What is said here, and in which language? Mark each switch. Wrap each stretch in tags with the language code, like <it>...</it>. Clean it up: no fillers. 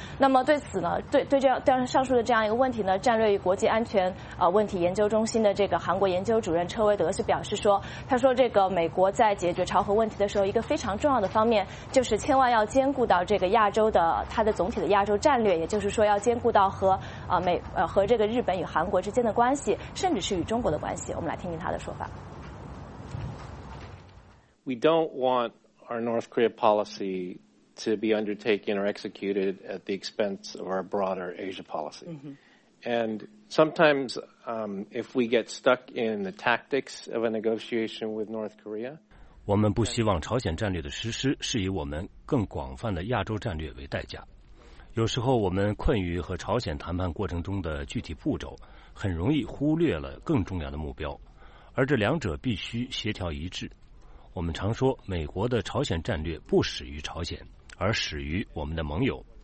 <zh>那么对此呢，对上述的这样一个问题呢，战略与国际安全问题研究中心的这个韩国研究主任车维德是表示说，他说这个美国在解决朝核问题的时候，一个非常重要的方面就是千万要兼顾到这个亚洲的它的总体的亚洲战略，也就是说要兼顾到和这个日本与韩国之间的关系，甚至是与中国的关系。我们来听听他的说法。</zh> <en>We don't want our North Korea policy to be undertaken or executed at the expense of our broader Asia policy. And sometimes, if we get stuck in the tactics of a negotiation with North Korea,</en> <zh>我们不希望朝鲜战略的实施是以我们更广泛的亚洲战略为代价。有时候我们困于和朝鲜谈判过程中的具体步骤，很容易忽略了更重要的目标，而这两者必须协调一致。我们常说，美国的朝鲜战略不始于朝鲜，而始于我们的盟友。</zh>